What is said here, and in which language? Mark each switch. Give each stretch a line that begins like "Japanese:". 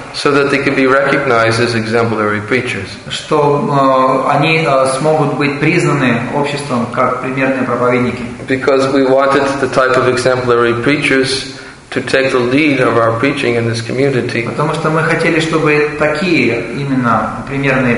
English: So that they can be recognized as exemplary preachers.
Russian: Что они смогут быть признаны обществом как примерные проповедники.
English: Because we wanted the type of exemplary preachers to take the lead of our preaching in this community.
Russian: Потому что мы хотели, чтобы такие именно примерные.